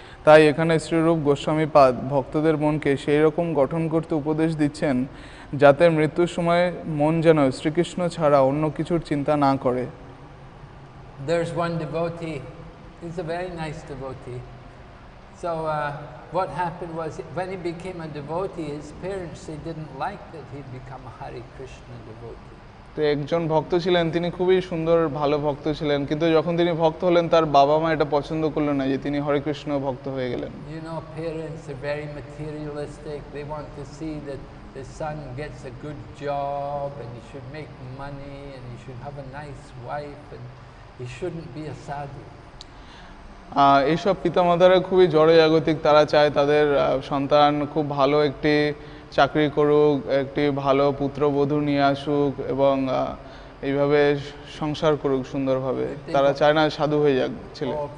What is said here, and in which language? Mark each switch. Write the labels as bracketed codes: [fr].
[bn] তাই এখানে শ্রীরূপ গোস্বামী পাদ ভক্তদের মনকে সেই রকম গঠন করতে উপদেশ দিচ্ছেন যাতে মৃত্যুর সময় মন যেন শ্রীকৃষ্ণ ছাড়া অন্য কিছুর চিন্তা না করে। [en] There's one devotee, he's a very nice devotee. So what happened was when he became a devotee, his parents, they didn't like that he'd become a Hare Krishna devotee. [bn] তো একজন ভক্ত ছিলেন, তিনি খুবই সুন্দর ভালো ভক্ত ছিলেন, কিন্তু যখন তিনি ভক্ত হলেন তার বাবা মা এটা পছন্দ করল না যে তিনি হরে কৃষ্ণ ভক্ত হয়ে গেলেন। [en] You know, parents are very materialistic. They want to see that the son gets a good job and he should make money and he should have a nice wife and he shouldn't be a sadhu. [bn] এইসব পিতামাতারা খুবই জড়জাগতিক, তারা চায় তাদের সন্তান খুব ভালো একটি চাকরি করুক, একটি ভালো পুত্রবধূ নিয়ে আসুক এবং এইভাবে সংসার করুক সুন্দরভাবে, তারা চায় না সাধু হয়ে যাক ছেলে।